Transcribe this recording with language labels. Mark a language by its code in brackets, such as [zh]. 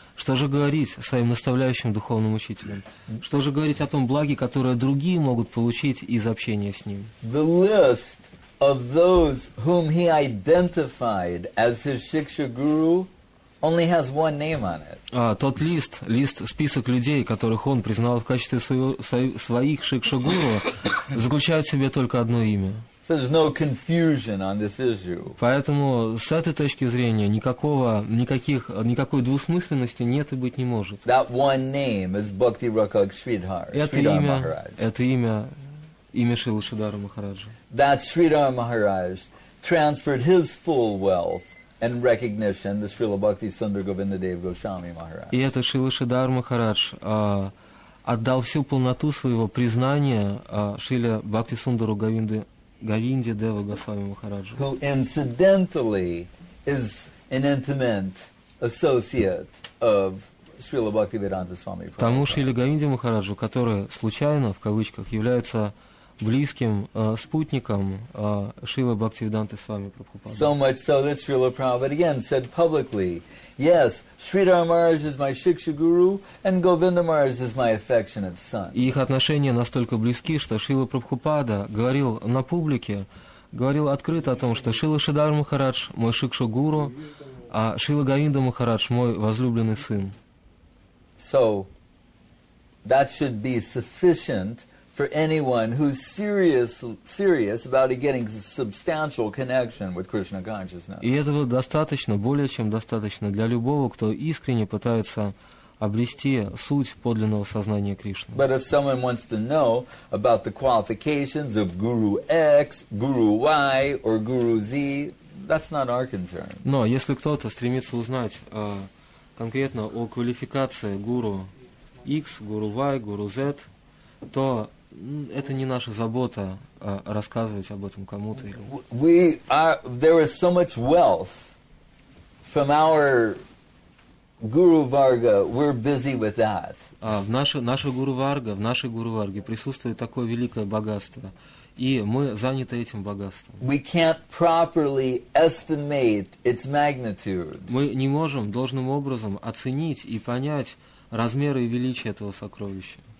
[ru] Что же говорить своим наставляющим духовным учителем? Что же говорить о том благе, которое другие могут получить из общения с ним? [en] The list of those whom he identified as his shiksha guru only has one name on it. [ru] Тот лист, список людей, которых он признал в качестве своих шикшагуру, заключает в себе только одно имя. [en] So there's no confusion on this issue. [ru] Поэтому с этой точки зрения никакой двусмысленности нет и быть не может. [en] That one name is Bhakti Rakak Sridhar. [ru] Это имя Шрилы Шридхара Махараджа. [en] That Sridhar Maharaj transferred his full wealth and recognition to Srila Bhakti Sundar Govindadeva Goswami Maharaj. [ru] И этот Шрила Шридхар Махарадж отдал всю полноту своего признания Шриле Бхакти Сундару Говинде Дева Госвами Махараджа. [en] Who incidentally is an intimate associate of Srila Bhaktivedanta Swami Prabhupada. [ru] Тому Шриле Говинде Махараджу, который случайно, в кавычках, является близким спутником Шрилы Бхактивиданты Свами Прабхупады. [en] So much so that Srila Prabhupada again said publicly, yes, Sridhar Maharaj is my Shiksha Guru, and Govinda Maharaj is my affectionate son. [ru] И их отношения настолько близки, что Шрила Прабхупада говорил на публике, говорил открыто о том, что Шрила Шридхар Махарадж мой Шикша Гуру, а Шрила Говинда Махарадж мой возлюбленный сын. [en] So, that should be sufficient for anyone who's serious about getting substantial connection with Krishna consciousness. [ru] И этого достаточно, более чем достаточно для любого, кто искренне пытается обрести суть подлинного сознания Кришны. [en] But if someone wants to know about the qualifications of Guru X, Guru Y, or Guru Z, that's not our concern. [ru] Но если кто-то стремится узнать конкретно о квалификации Guru X, Guru Y, Guru Z, то это не наша забота рассказывать об этом кому-то. [en] There is so much wealth from our Guru Varga. We're busy with that. [ru] В нашей Гуру Варге присутствует такое великое богатство, и мы заняты этим богатством. [en] We can't properly estimate its magnitude. [ru] Мы не можем должным образом оценить и понять размеры и величие этого сокровища.